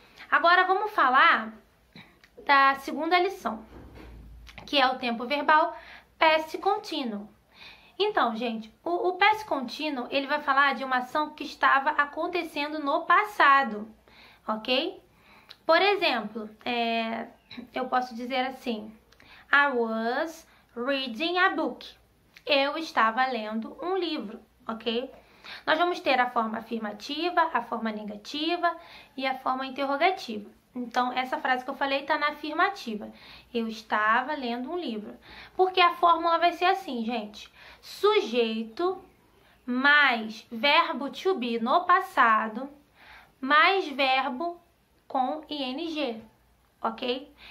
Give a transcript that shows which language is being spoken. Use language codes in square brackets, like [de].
[pt] Agora, vamos falar da segunda lição, que é o tempo verbal past contínuo. Então, gente, o past contínuo, ele vai falar de uma ação que estava acontecendo no passado, ok? Por exemplo, eu posso dizer assim, [en] I was reading a book. [pt] Eu estava lendo um livro, ok? Nós vamos ter a forma afirmativa, a forma negativa e a forma interrogativa. Então, essa frase que eu falei está na afirmativa. Eu estava lendo um livro. Porque a fórmula vai ser assim, gente. Sujeito mais verbo to be no passado, mais verbo com ing. Ok?